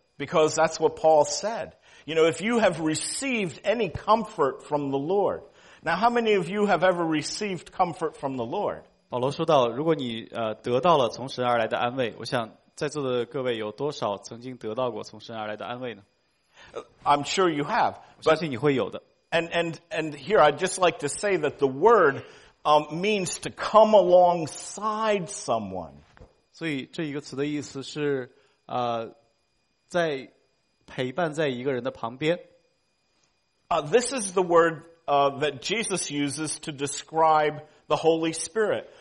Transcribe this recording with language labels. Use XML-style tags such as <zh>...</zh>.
<en>Because that's what Paul said. You know, if you have received any comfort from the Lord. Now how many of you have ever received comfort from the Lord?</en> <zh>保罗说到如果你得到了从神而来的安慰，我想在座的各位有多少曾经得到过从神而来的安慰呢？</zh> <en>I'm sure you have.</en> <zh>我相信你会有的。</zh> <en>And here I'd just like to say that the word means to come alongside someone.</en> <zh>所以这一个词的意思是在陪伴在一个人的旁边。</zh> <en>This is the word that Jesus uses to describe the Holy Spirit.</en>